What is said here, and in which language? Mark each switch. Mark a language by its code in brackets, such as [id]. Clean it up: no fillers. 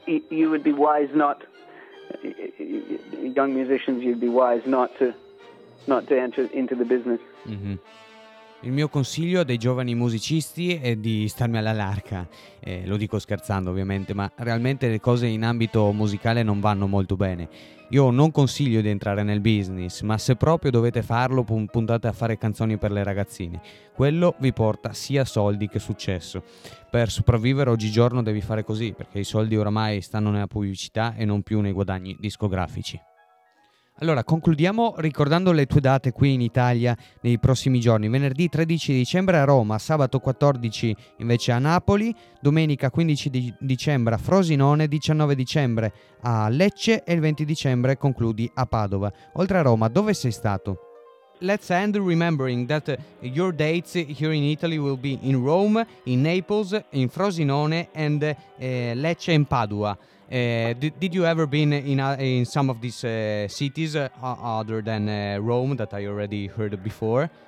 [en] You would be wise not, young musicians, you'd be wise not to enter into the business. Mm-hmm. [it] Il mio consiglio a dei giovani musicisti è di starmi alla larga, lo dico scherzando ovviamente, ma realmente le cose in ambito musicale non vanno molto bene. Io non consiglio di entrare nel business, ma se proprio dovete farlo, puntate a fare canzoni per le ragazzine. Quello vi porta sia soldi che successo. Per sopravvivere oggigiorno devi fare così, perché i soldi oramai stanno nella pubblicità e non più nei guadagni discografici. Allora, concludiamo ricordando le tue date qui in Italia nei prossimi giorni. Venerdì 13 dicembre a Roma, sabato 14 invece a Napoli, domenica 15 dicembre a Frosinone, 19 dicembre a Lecce e il 20 dicembre concludi a Padova. Oltre a Roma, dove sei stato? [en] Let's end remembering that your dates here in Italy will be in Rome, in Naples, in Frosinone and Lecce and Padua. Did you ever been in some of these cities other than Rome that I already heard before?